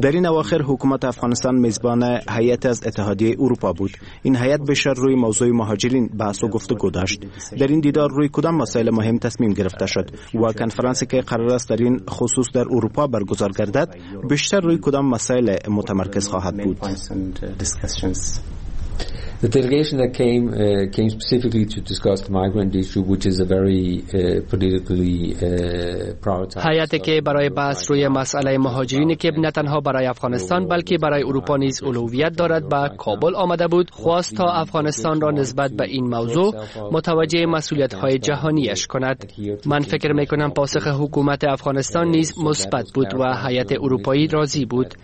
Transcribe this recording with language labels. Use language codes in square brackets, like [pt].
[fa] در این اواخر حکومت افغانستان میزبان هیئت از اتحادیه اروپا بود. این هیئت بیشتر روی موضوع مهاجرین بحث و گفتگو داشت. در این دیدار روی کدام مسائل مهم تصمیم گرفته شد و کنفرانسی که قرار است در این خصوص در اروپا برگزار گردد بیشتر روی کدام مسائل متمرکز خواهد بود؟ [en] The delegation that came specifically to discuss the migrant issue, which is a very politically prioritized. [fa] حیاتی که برای بحث روی مسئله مهاجرینی که نه تنها برای افغانستان بلکه برای اروپا نیز اولویت دارد با کابل آمده بود، خواست تا افغانستان را نسبت به این موضوع متوجه مسئولیت‌های جهانیش کند. من فکر می‌کنم پاسخ حکومت افغانستان نیز مثبت بود و حیات اروپایی راضی بود.